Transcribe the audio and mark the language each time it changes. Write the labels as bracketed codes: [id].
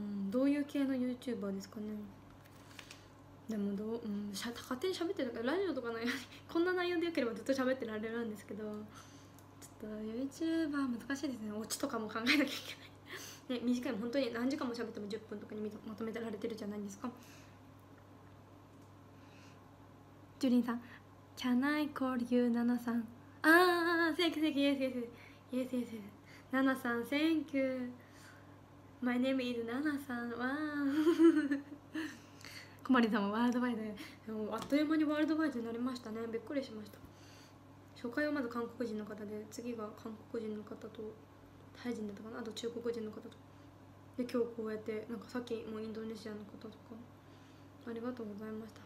[ja] どういう系の YouTuber ですかね。でもどう、勝手に喋ってるから、ラジオとかのこんな内容でよければずっと喋ってられるんですけど、ちょっと YouTuber 難しいですね。オチとかも考えなきゃいけない、ね、短いも本当に何時間も喋っても10分とかにまとめてられてるじゃないですか。 [en] ジュリンさん、 Can I call you ナナさん、あー Thank you, thank you, yes, yes, yes, yes. [ja] ナナさん、 [en] Thank you. My name is [ja] ナナさん、わーコマリさんもワールドワイド、あっという間にワールドワイドになりましたね、びっくりしました。初回はまず韓国人の方で、次が韓国人の方とタイ人だったかな、あと中国人の方とで、今日こうやってなんかさっきもインドネシアの方とか、ありがとうございました。